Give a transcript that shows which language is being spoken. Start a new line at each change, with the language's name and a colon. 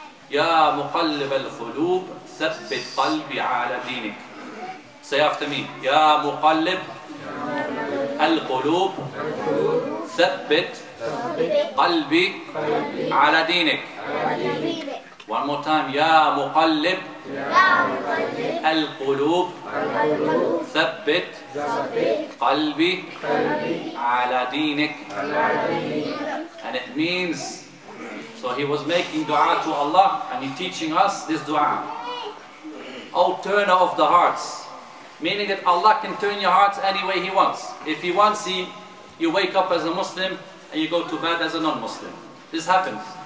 Arabic: Ya muqallib al-qulub, thabbit qalbi ala deenik.
English: Say after me.
Arabic: Ya muqallib al-qulub, thabbit قلبي على دينك.
English: One more time.
Arabic: يا مقلب القلوب ثبت قلبي على دينك.
English: And it means, so he was making dua to Allah and he teaching us this dua. O turner of the hearts, meaning that Allah can turn your hearts any way he wants. If he wants, you wake up as a Muslim and you go to bed as a non-Muslim. This happens.